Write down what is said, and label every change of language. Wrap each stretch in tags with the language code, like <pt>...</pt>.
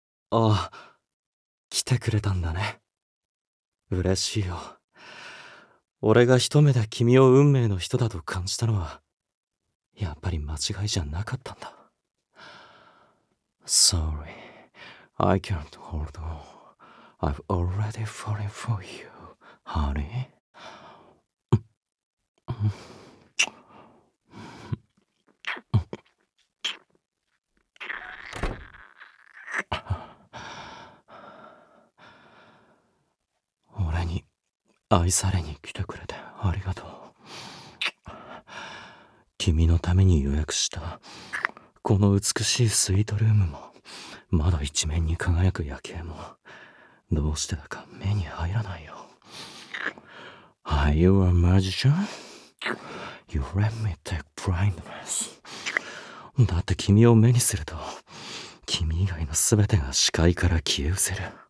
<ja>ああ、来てくれたんだね。嬉しいよ。俺が一目で君を運命の人だと感じたのは、やっぱり間違いじゃなかったんだ。</ja> <en>Sorry, I can't hold on. I've already fallen for you, honey.</en> <ja>愛されに来てくれてありがとう。君のために予約したこの美しいスイートルームも、窓一面に輝く夜景も、どうしてだか目に入らないよ。</ja> <en>Are you a magician? You let me take blindness.</en> <ja>だって君を目にすると君以外の全てが視界から消え失せる。</ja>